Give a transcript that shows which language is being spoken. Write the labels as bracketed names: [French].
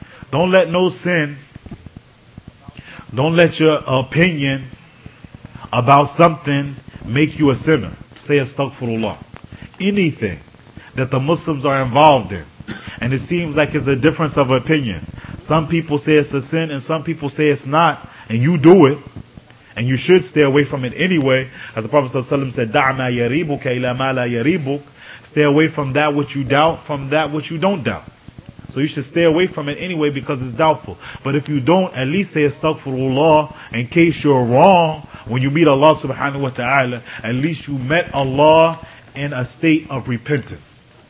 [English] Don't let no sin, don't let your opinion about something make you a sinner. Say astaghfirullah. Anything that the Muslims are involved in, and it seems like it's a difference of opinion. Some people say it's a sin and some people say it's not, and you do it, and you should stay away from it anyway. As the Prophet ﷺ said, [Arabic] دَعْ مَا يَرِيبُكَ إِلَى مَا لَا يَرِيبُكَ. [English] Stay away from that which you doubt, from that which you don't doubt. So you should stay away from it anyway because it's doubtful. But if you don't, at least say astaghfirullah in case you're wrong when you meet Allah subhanahu wa ta'ala. At least you met Allah in a state of repentance.